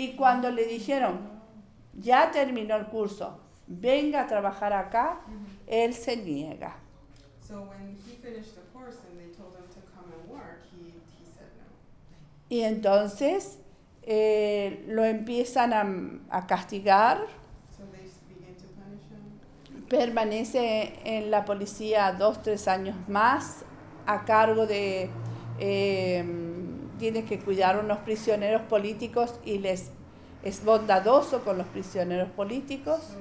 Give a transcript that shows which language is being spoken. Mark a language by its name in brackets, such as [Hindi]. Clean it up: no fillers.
[Spanish] Y cuando le dijeron, ya terminó el curso, venga a trabajar acá, él se niega. [English] So when he finished the course and they told him to come and work, he said no. [Spanish] Y entonces lo empiezan a castigar. [English] So they begin to punish him. [Spanish] Permanece en la policía 2-3 años más a cargo de... tiene que cuidar unos prisioneros políticos y les es bondadoso con los prisioneros políticos.